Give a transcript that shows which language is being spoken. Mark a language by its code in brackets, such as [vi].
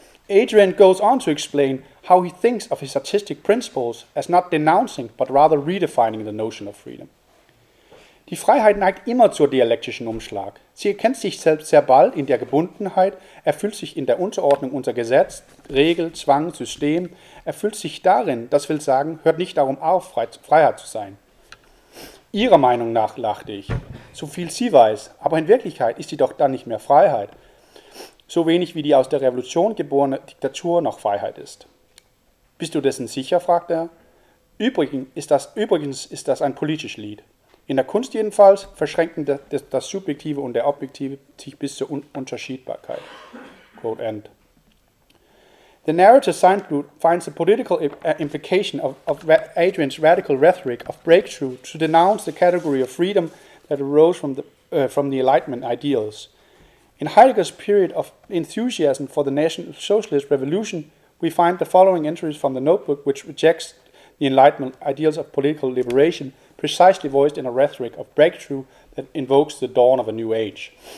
[en] Adrian goes on to explain how he thinks of his artistic principles as not denouncing, but rather redefining the notion of freedom. [de] Die Freiheit neigt immer zur dialektischen Umschlag. Sie erkennt sich selbst sehr bald in der Gebundenheit, erfüllt sich in der Unterordnung unter Gesetz, Regel, Zwang, System, erfüllt sich darin, das will sagen, hört nicht darum auf, Freiheit zu sein. Ihrer Meinung nach, lachte ich, so viel sie weiß, aber in Wirklichkeit ist sie doch dann nicht mehr Freiheit, so wenig wie die aus der Revolution geborene Diktatur noch Freiheit ist. Bist du dessen sicher, fragte er. Übrigens ist das ein politisches Lied. In der Kunst jedenfalls verschränken das Subjektive und der Objektive sich bis zur Unterschiedbarkeit. [en] Quote end. The narrator Seinblut finds the political implication of Adrian's radical rhetoric of breakthrough to denounce the category of freedom that arose from the Enlightenment ideals. In Heidegger's period of enthusiasm for the National Socialist Revolution, we find the following entries from the notebook which rejects the Enlightenment ideals of political liberation, precisely voiced in a rhetoric of breakthrough that invokes the dawn of a new age.